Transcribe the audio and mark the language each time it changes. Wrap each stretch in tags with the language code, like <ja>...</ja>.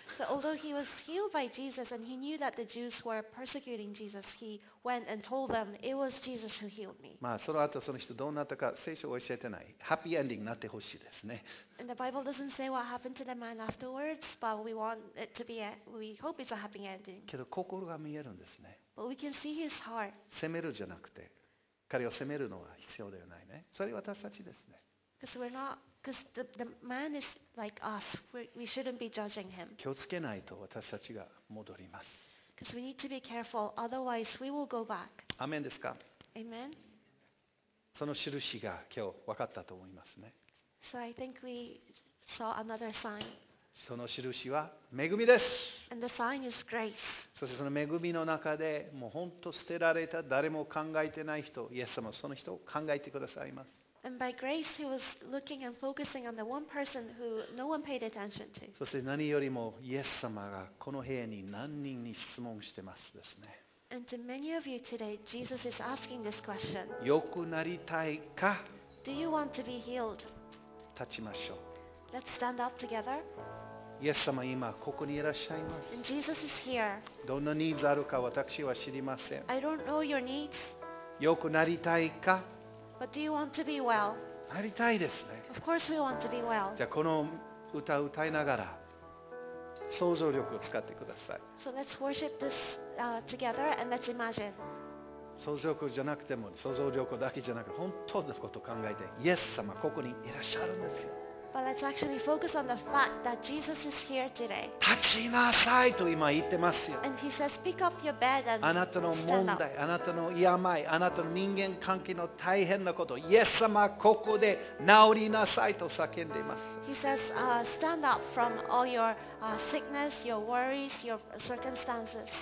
<en>So although he was healed by Jesus and he knew that the Jews were persecuting Jesus, he went and told them it was Jesus who healed me.</en> <ja>まあその後その人どうなったか聖書は教えてない。ハッピーエンディングになってほしいですね。</ja> <en>And the Bible doesn't say what happened to the man afterwards, but we hope it's a happy ending.</en> <ja>けど心が見えるんですね。</ja> <en>But we can see his heart.</en> <ja>責めるじゃなくて、彼を責めるのは必要ではないね。それは私たちですね。</ja> <en>Because we're not. Because the man is like us. We shouldn't be judging him.</en> <ja>気をつけないと私たちが戻ります。</ja> <en>Because we need to be careful. Otherwise, we will go back.</en> <ja>アメンですか。</ja> <en>Amen.</en> <ja>その印が今日分かったと思いますね。</ja> <en>So I think we saw another sign.</en> <ja>その印は恵みです。</ja> <en>And the sign is grace.</en> <ja>そしてその恵みの中でもう本当捨てられた誰も考えてない人、イエス様はその人を考えてくださいます。</ja> <en>And by grace, he was looking and focusing on the one person who no one paid attention to.</en> <ja>そして何よりもイエス様がこの部屋に何人に質問してますですね。</ja> <en>And to many of you today, Jesus is asking this question.</en> <ja>よくなりたいか?</ja> <en>Do you want to be healed?</en> <ja>立ちましょう。</ja> <en>Let's stand up together.</en> <ja>イエス様今ここにいらっしゃいます。</ja> <en>And Jesus is here.</en> <ja>どんなニーズあるか私は知りません。</ja> <en>I don't know your needs.</en> <ja>よくなりたいか?</ja> <en>But do you want to be well?</en> <ja>なりたいですね。</ja> <en>Of course we want to be well.</en> <ja>じゃあこの歌を歌いながら想像力を使ってください。</ja> <en>So let's worship this together and let's imagine.</en> <ja>想像力じゃなくても想像力だけじゃなくて本当のことを考えて、イエス様ここにいらっしゃるんですよ。</ja> <en>But let's actually focus on the fact that Jesus is here today.</en> <ja>立ちなさいと今言ってますよ。</ja> <en>And he says, pick up your bed and stand up.</en> <ja>あなたの問題、あなたの病、あなたの人間関係の大変なこと、イエス様ここで治りなさいと叫んでいます。</ja> <en>He says, stand up from all your sickness, your worries, your circumstances.</en>